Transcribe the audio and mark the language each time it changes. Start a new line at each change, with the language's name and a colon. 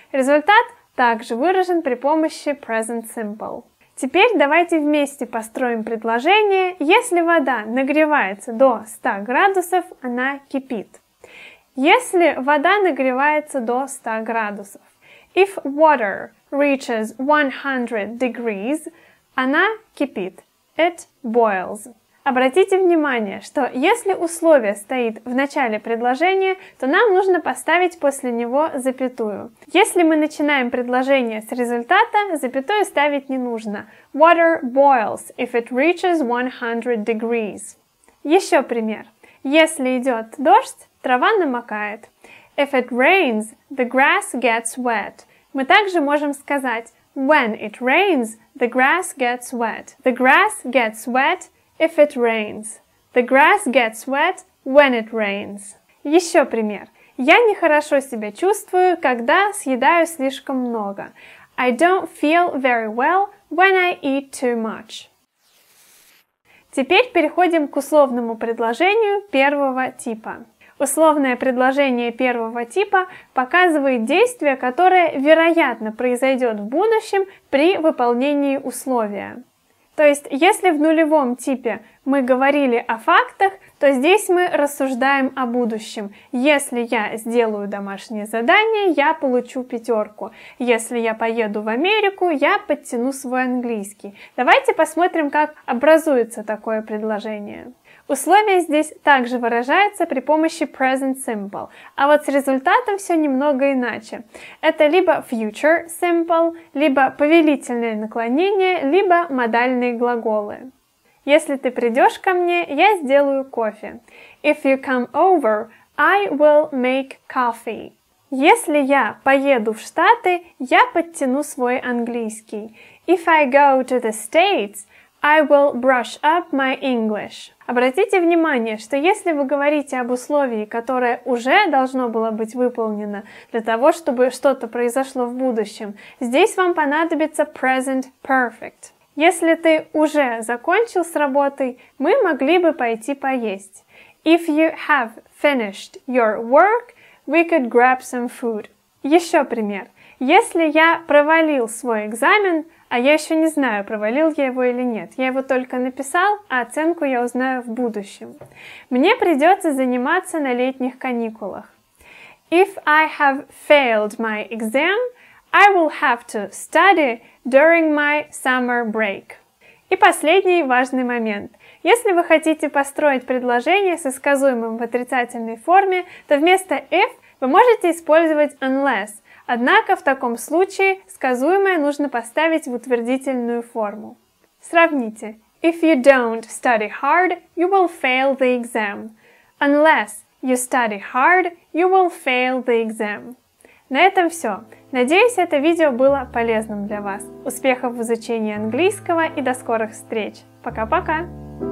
Russian: Результат также выражен при помощи present simple. Теперь давайте вместе построим предложение: если вода нагревается до 100 градусов, она кипит. Если вода нагревается до 100 градусов.
English: If water reaches 100 degrees,
Russian: она кипит.
English: It boils.
Russian: Обратите внимание, что если условие стоит в начале предложения, то нам нужно поставить после него запятую. Если мы начинаем предложение с результата, запятую ставить не нужно.
English: Water boils if it reaches 100 degrees.
Russian: Еще пример. Если идет дождь, трава намокает.
English: If it rains, the grass gets wet.
Russian: Мы также можем сказать
English: when it rains, the grass gets wet. The grass gets wet. If it rains. The grass gets wet when it rains.
Russian: Еще пример. Я нехорошо себя чувствую, когда съедаю слишком много.
English: I don't feel very well when I eat too much.
Russian: Теперь переходим к условному предложению первого типа. Условное предложение первого типа показывает действие, которое, вероятно, произойдет в будущем при выполнении условия. То есть, если в нулевом типе мы говорили о фактах, то здесь мы рассуждаем о будущем. Если я сделаю домашнее задание, я получу 5. Если я поеду в Америку, я подтяну свой английский. Давайте посмотрим, как образуется такое предложение. Условие здесь также выражается при помощи present simple, а вот с результатом все немного иначе. Это либо future simple, либо повелительное наклонение, либо модальные глаголы. Если ты придешь ко мне, я сделаю кофе.
English: If you come over, I will make coffee.
Russian: Если я поеду в Штаты, я подтяну свой английский.
English: If I go to the States, I will brush up my English.
Russian: Обратите внимание, что если вы говорите об условии, которое уже должно было быть выполнено для того, чтобы что-то произошло в будущем, здесь вам понадобится present perfect. Если ты уже закончил с работой, мы могли бы пойти поесть.
English: If you have finished your work, we could grab some food.
Russian: Еще пример. Если я провалил свой экзамен, а я еще не знаю, провалил я его или нет. Я его только написал, а оценку я узнаю в будущем. Мне придется заниматься на летних каникулах.
English: If I have failed my exam, I will have to study during my summer break.
Russian: И последний важный момент. Если вы хотите построить предложение со сказуемым в отрицательной форме, то вместо if вы можете использовать unless. Однако в таком случае сказуемое нужно поставить в утвердительную форму. Сравните.
English: If you don't study hard, you will fail the exam. Unless you study hard, you will fail the exam.
Russian: На этом все. Надеюсь, это видео было полезным для вас. Успехов в изучении английского и до скорых встреч. Пока-пока!